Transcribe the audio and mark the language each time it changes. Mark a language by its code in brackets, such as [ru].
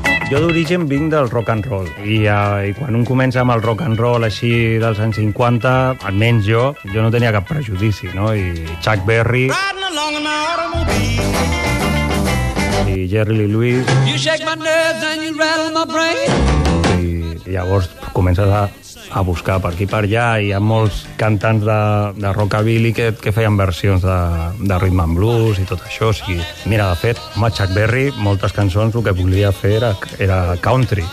[ca] Jo d'origen vinc del rock and roll i quan un comença amb el rock and roll així dels anys 50, almenys jo no tenia cap prejudici, no? I Chuck Berry, i Jerry Lee Lewis. [en] You shake my nerves and you rattle my brain. [ca] Llavors comences a buscar per aquí per allà, i hi ha molts cantants de rockabilly que feien versions de rhythm and blues i tot això. O sigui, mira, de fet, amb Chuck Berry, moltes cançons, el que volia fer era country.